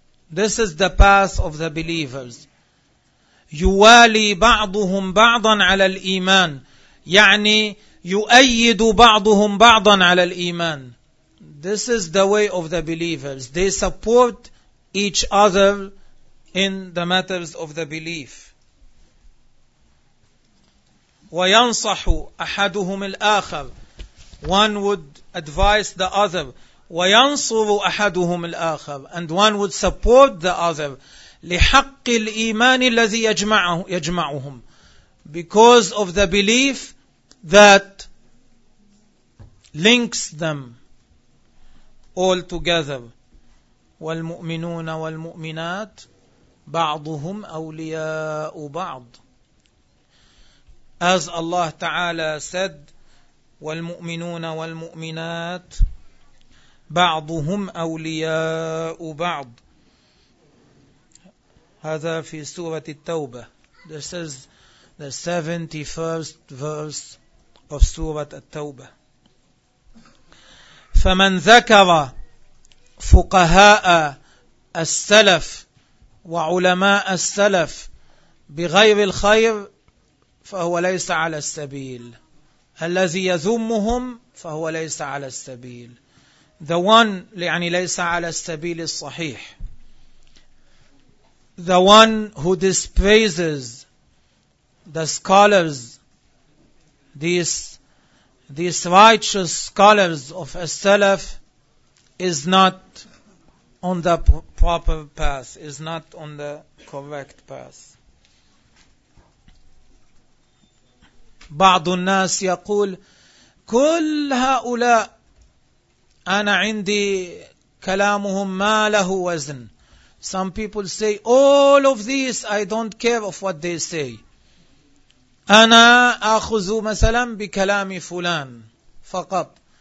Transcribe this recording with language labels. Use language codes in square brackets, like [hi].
[en] This is the path of the believers. [ar] يوالي بعضهم بعضا على الإيمان. يعني يؤيد بعضهم بعضا على الإيمان. [en] This is the way of the believers. They support each other in the matters of the belief. [ar] وَيَنْصَحُ أَحَدُهُمِ الْآخَرِ. [en] One would advise the other. [ar] وَيَنْصُرُ أَحَدُهُمِ الْآخَرِ. [en] And one would support the other. [ar] لِحَقِّ الْإِيمَانِ الَّذِي يَجْمَعُهُمْ. [en] Because of the belief that links them all together. [ar] وَالْمُؤْمِنُونَ وَالْمُؤْمِنَاتِ بعضهم أولياء بعض. [en] As Allah Ta'ala said, [ar] والمؤمنون والمؤمنات بعضهم أولياء بعض. هذا في سورة التوبة. [en] This is the 71st verse of سورة التوبة. [ar] فمن ذكر فقهاء السلف وعلماء السلف بغير الخير فهو ليس على السبيل. الذي يذمهم فهو ليس على السبيل. [en] The one [ar] يعني ليس على السبيل الصحيح. [en] The one who despises the scholars, these righteous scholars of as-salaf, is not on the proper path, is not on the correct path. [ar] بعض الناس يقول كل هؤلاء أنا عندي كلامهم ما له وزن. [en] Some people say all of this I don't care of what they say. [ar] أنا أخذ مثلا بكلام فلان فقط.